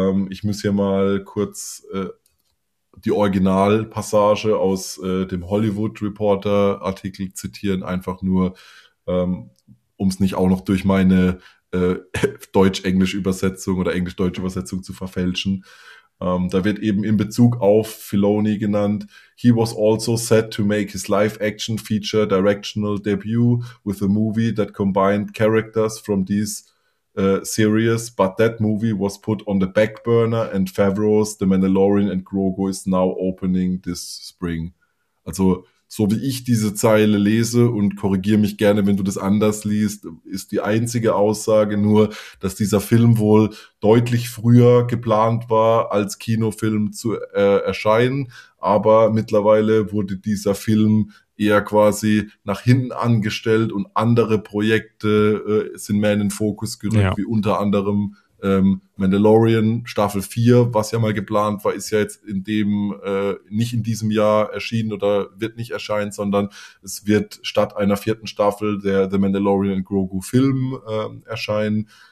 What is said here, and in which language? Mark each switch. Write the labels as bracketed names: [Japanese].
[German] Ich muss hier mal kurz die Originalpassage aus dem Hollywood Reporter Artikel zitieren, einfach nur, um es nicht auch noch durch meine Deutsch-Englisch-Übersetzung oder Englisch-Deutsch-Übersetzung zu verfälschen. Da wird eben in Bezug auf Filoni genannt: [English] He was also set to make his live-action feature directional debut with a movie that combined characters from these series, but that movie was put on the back burner and Favreau's The Mandalorian and Grogu is now opening this spring. [German] Also, so wie ich diese Zeile lese und korrigiere mich gerne, wenn du das anders liest, ist die einzige Aussage nur, dass dieser Film wohl deutlich früher geplant war, als Kinofilm zu erscheinen. Aber mittlerweile wurde dieser Film eher quasi nach hinten angestellt und andere Projekte sind mehr in den Fokus gerückt, ja, wie unter anderem Mandalorian Staffel 4, was ja mal geplant war, ist ja jetzt in dem nicht in diesem Jahr erschienen oder wird nicht erscheinen, sondern es wird statt einer vierten Staffel der The Mandalorian and Grogu Film erscheinen.